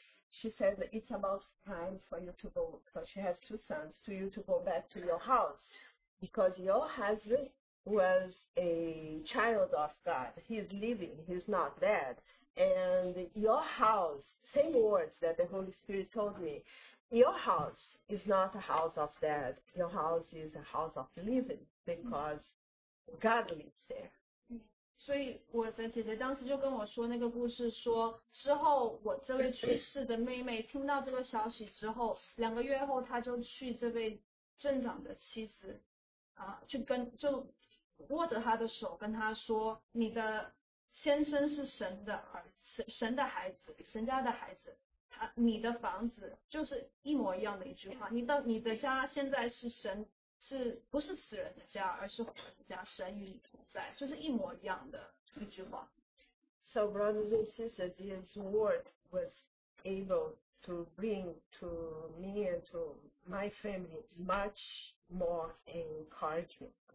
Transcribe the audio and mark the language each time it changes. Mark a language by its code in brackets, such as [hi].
[en] She said that it's about time for you to go, because she has two sons, to you to go back to your house, because your husband was a child of God. He's living, he's not dead. And your house, same words that the Holy Spirit told me, your house is not a house of dead. Your house is a house of living because God lives there. [zh] 所以我的姐姐当时就跟我说那个故事说之后我这位去世的妹妹听到这个消息之后两个月后她就去这位镇长的妻子就跟就握着她的手跟她说你的先生是神的儿子神的孩子神家的孩子她你的房子就是一模一样的一句话你的家现在是神 是不是死人的家，而是活人的家，神与你同在，就是一模一样的一句话。 [en] So brothers and sisters, this word was able to bring to me and to my family much more encouragement.